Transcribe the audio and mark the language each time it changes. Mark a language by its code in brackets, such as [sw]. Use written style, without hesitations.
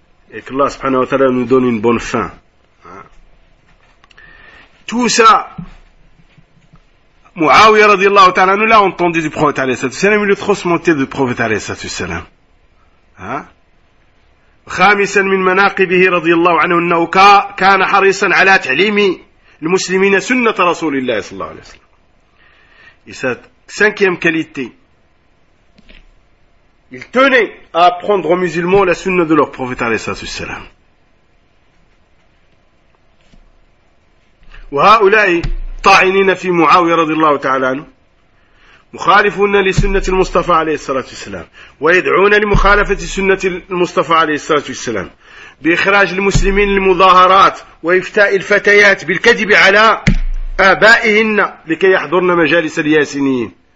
[fr] Et que Allah subhanahu wa ta'ala nous donne une bonne fin. Tout ça, Muawiyah radiallahu ta'ala, nous l'a entendu du prophète alayhi salatu salam, il est trop smonté du prophète alayhi salatu salam. [ar] خامسا من مناقبه رضي الله عنه أنه كان حريصا على تعليم المسلمين سنة رسول الله صلى الله عليه وسلم. [fr] Et sa cinquième qualité, il tenait à apprendre aux musulmans la sunna de leur prophète [ar] عليه الصلاة والسلام. وهؤلاء طاعنين في معاوية رضي الله تعالى عنه مخالفون لسنة المصطفى عليه الصلاة والسلام ويدعون لمخالفة سنة المصطفى عليه الصلاة والسلام بإخراج المسلمين للمظاهرات وإفتاء الفتيات بالكذب على آبائهن لكي يحضرن مجالس الياسينيين.